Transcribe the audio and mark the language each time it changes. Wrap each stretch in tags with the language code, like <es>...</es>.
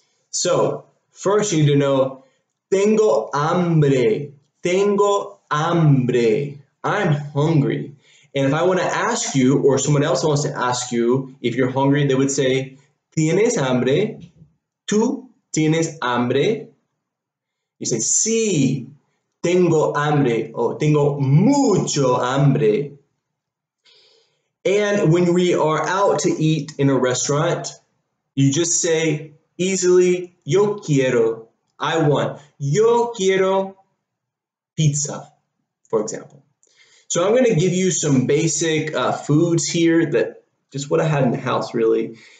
<en>So first you need to know,</en> <es>tengo hambre. Tengo hambre.</es> <en>I'm hungry. And if I want to ask you, or someone else wants to ask you, if you're hungry, they would say,</en> <es>¿tienes hambre? ¿Tú tienes hambre?</es> <en>You say,</en> <es>sí, tengo hambre, o tengo mucho hambre.</es> <en>And when we are out to eat in a restaurant, you just say easily,</en> <es>yo quiero,</es> <en>I want,</en> <es>yo quiero pizza,</es> <en>for example. So I'm going to give you some basic foods here, that just what I had in the house, really.</en>